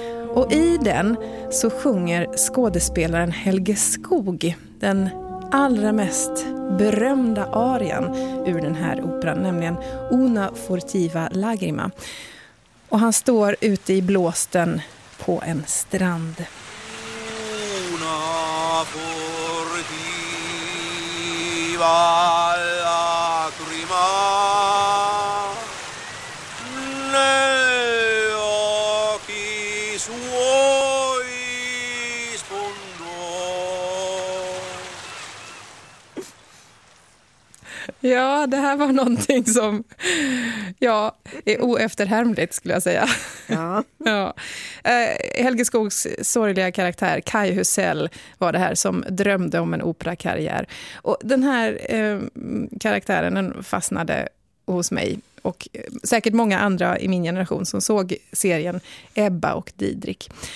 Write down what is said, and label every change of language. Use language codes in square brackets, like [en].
[sv] Och i den så sjunger skådespelaren Helge Skog den allra mest berömda arien ur den här operan, nämligen Una furtiva lagrima. Och han står ute i blåsten på en strand. [it] Una furtiva lacrima negli occhi suoi spondo. [sv] Ja, det här var någonting som är oefterhärmligt skulle jag säga. Ja. Ja. Helge Skogs sorgliga karaktär Kai Husell var det här som drömde om en operakarriär. Och den här karaktären fastnade hos mig och säkert många andra i min generation som såg serien Ebba och Didrik.